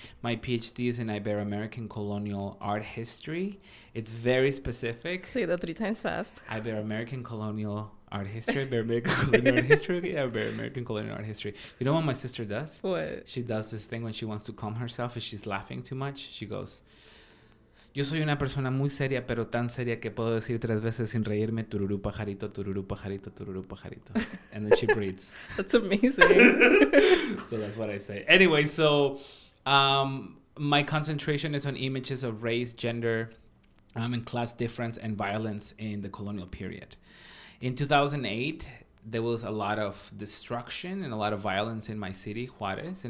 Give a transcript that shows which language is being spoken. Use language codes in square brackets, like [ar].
[en] My PhD is in Ibero-American colonial art history. It's very specific. Say that three times fast. Ibero-American colonial art history, Bear American culinary art history. Yeah, Bear American culinary art history. You know what my sister does? What? She does this thing when she wants to calm herself and she's laughing too much. She goes, [es] yo soy una persona muy seria, pero tan seria que puedo decir tres veces sin reírme, tururú pajarito, tururú pajarito, tururú pajarito. [en] And then she breathes. That's amazing. So that's what I say. Anyway, so my concentration is on images of race, gender, and class difference and violence in the colonial period. In 2008, there was a lot of destruction and a lot of violence in my city, Juarez.